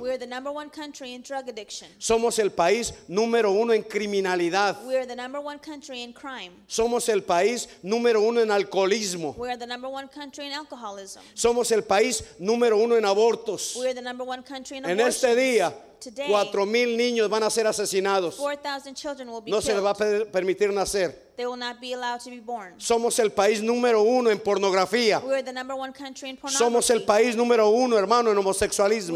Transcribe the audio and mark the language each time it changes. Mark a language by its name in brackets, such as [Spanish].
[English] We are the number one country in drug addiction. [Spanish] Somos el país número uno en criminalidad. [English] We are the number one country in crime. [Spanish] Somos el país número uno en alcoholismo. [English] We are the number one country in alcoholism. [Spanish] Somos el país número uno en abortos. [English] We are the number one country in abortions. [Spanish] En este día 4,000 niños van a ser asesinados. [English] 4,000 children will be [Spanish] no [English] killed. [Spanish] Se les va a permitir nacer. [English] They will not be allowed to be born. [Spanish] Somos el país número uno en pornografía. [English] We are the number one country in pornography. [Spanish] Somos el país número uno, hermano, en homosexualismo.